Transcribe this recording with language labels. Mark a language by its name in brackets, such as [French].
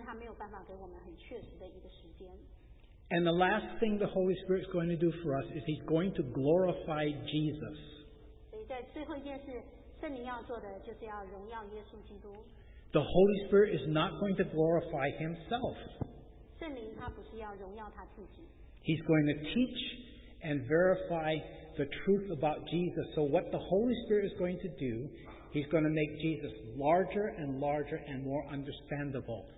[Chinese] 只有父神知道，包括耶稣基督，他都不知道在发生的时候是什么时候。他在来的时候，我们唯一知道的就是圣灵能够教导我们、带领我们，知道我们知道末世已经近了，这些时间已经越来越接近，但是他没有办法给我们很确实的一个时间。 [English] And the last thing the Holy Spirit is going to do for us is He's going to glorify Jesus. [Chinese] 所以在最后一件事，圣灵要做的就是要荣耀耶稣基督。 [English] The Holy Spirit is not going to glorify Himself. He's going to teach and verify the truth about Jesus. So what the Holy Spirit is going to do, He's going to make Jesus larger and larger and more understandable.